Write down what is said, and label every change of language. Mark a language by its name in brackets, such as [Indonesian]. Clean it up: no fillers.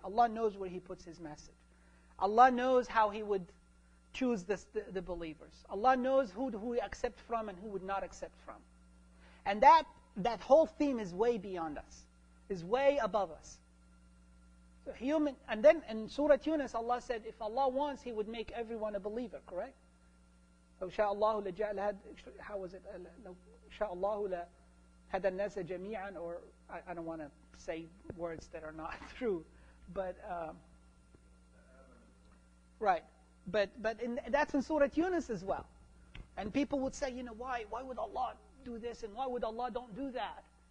[English] Allah knows where He puts His message. Allah knows how He would choose the believers. Allah knows who He accept from and who would not accept from. And that whole theme is way beyond us, is way above us. So human, and then in Surah Yunus, Allah said, if Allah wants, He would make everyone a believer, correct? [Arabic] لو شاء الله لجعل هاد, [English] how was it? [Arabic] لو شاء الله لهدى الناس جميعا, [English] or I don't want to say words that are not true, but right. But that's in Surah Yunus as well. And people would say, you know, why would Allah do this and why would Allah don't do that?